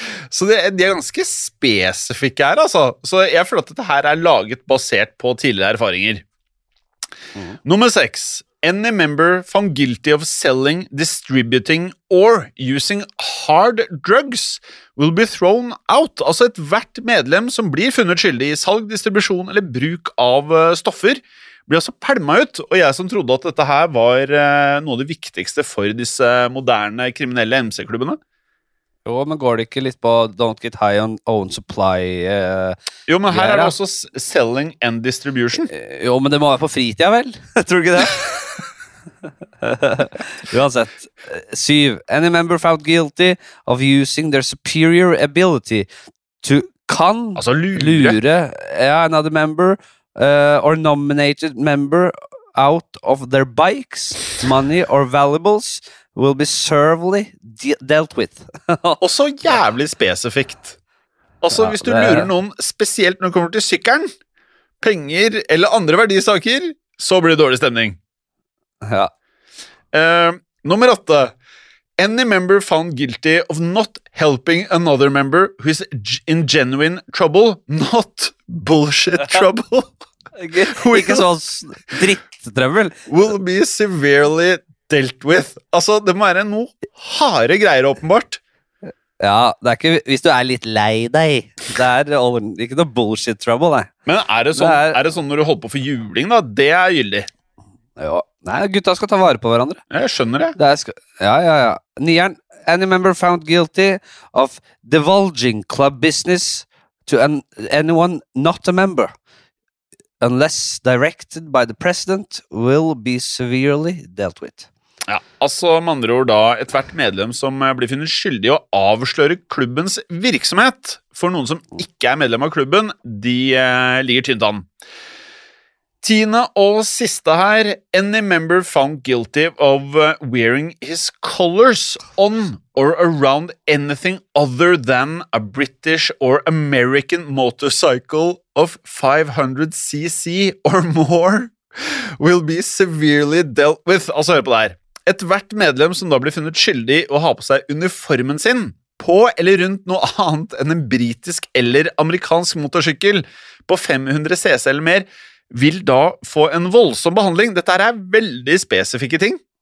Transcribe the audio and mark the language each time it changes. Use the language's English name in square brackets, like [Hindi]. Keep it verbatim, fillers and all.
[Norwegian] Så det, de er ganske spesifikke her, altså. Så jeg føler at dette her er laget basert på tidligere erfaringer. Mm. Nummer seks. [English] Any member found guilty of selling, distributing or using hard drugs will be thrown out. [Norwegian] Altså et hvert medlem som blir funnet skyldig i salg, distribusjon eller bruk av stoffer, blir altså pælma ut, og jeg som trodde at dette her var noe av det viktigste for disse moderne kriminelle M C-klubbene. Jo, men går det ikke litt på [English] don't get high on own supply? [Norwegian] Eh, jo, men her er det også [English] selling and distribution. [Norwegian] Jo, men det må være på fritida, vel? Tror du ikke det? Uansett. Syv. [English] Any member found guilty of using their superior ability to kan [Norwegian] altså lure, [English] lure yeah, another member Uh, or nominated member out of their bikes, money or valuables will be severely de- dealt with. [Norwegian] Og så jævlig spesifikt. Altså, ja, hvis du det... lurer noen, spesielt når det kommer til sykkelen, penger eller andre verdisaker, så blir det dårlig stemning. Ja. Uh, nummer åtte. [English] Any member found guilty of not helping another member who is in genuine trouble, not bullshit trouble, [Norwegian] ikke sånn dritttrøbbel, [English] will be severely dealt with. [Norwegian] Altså, det må være noe harde greier, åpenbart. Ja, det er ikke, hvis du er litt lei deg, det er ikke noe [English] bullshit trouble, [Norwegian] nei. Men er det sånn, det er... er det sånn når du holder på for juling, da? Det er gyldig. Ja. Nei, gutta skal ta vare på hverandre. Jeg skjønner det. Det er sk- ja, ja, ja. Nieren. [English] Any member found guilty of divulging club business to an- anyone not a member unless directed by the president, will be severely dealt with. [Norwegian] Ja, altså med andre ord da, ethvert medlem som blir funnet skyldig å avsløre klubbens virksomhet for noen som ikke er medlem av klubben, de eh, ligger tynt an. Tiende og siste her, [English] any member found guilty of wearing his colors on or around anything other than a British or American motorcycle of five hundred c c or more will be severely dealt with. [Norwegian] Altså, hør på det her. Ethvert medlem som da blir funnet skyldig å ha på seg uniformen sin, på eller rundt noe annet enn en britisk eller amerikansk motorsykkel på fem hundre c c eller mer, vil da få en voldsom behandling. Dette her er veldig spesifikke ting.